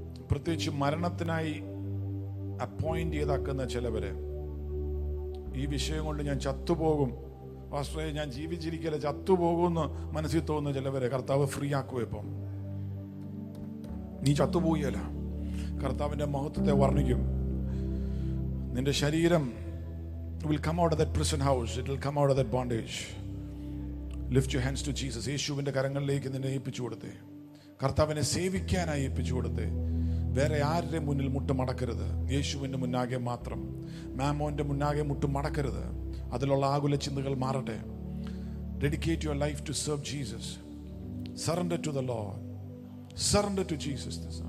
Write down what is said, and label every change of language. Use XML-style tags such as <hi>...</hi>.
<ml>പ്രത്യേകിച്ച് മരണത്തിനായി അപ്പോയിന്റ് ചെയ്താക്കുന്ന ചിലവരെ, ഈ വിഷയം കൊണ്ട് ഞാൻ ചത്തുപോകും, പാസ്റ്ററെ ഞാൻ ജീവിച്ചിരിക്കല ചത്തുപോകുമെന്ന് മനസ്സിൽ തോന്നുന്ന ചിലവരെ കർത്താവ് ഫ്രീ ആക്കുവേ. ഇപ്പം നീ ചത്തുപോയല്ല, കർത്താവിന്റെ മഹത്വത്തെ വർണ്ണിക്കും. നിന്റെ ശരീരം</ml> <en>will come out of that prison house, it will come out of that bondage. Lift your hands to Jesus.</en> <ml>യേശുവിന്റെ കരങ്ങളിലേക്ക് നിന്നെ ഏൽപ്പിച്ചു കൊടുത്തേ, കർത്താവിനെ സേവിക്കാനായി ഏൽപ്പിച്ചു കൊടുത്തേ. വേറെ ആരുടെ മുന്നിൽ മുട്ട് മടക്കരുത്, യേശുവിൻ്റെ മുന്നാകെ മാത്രം. മാമോന്റെ മുന്നാകെ മുട്ട് മടക്കരുത്, അതിലുള്ള ആകുല ചിന്തകൾ മാറട്ടെ.</ml> <en>Dedicate your life to serve Jesus. Surrender to the Lord, surrender to Jesus.</en>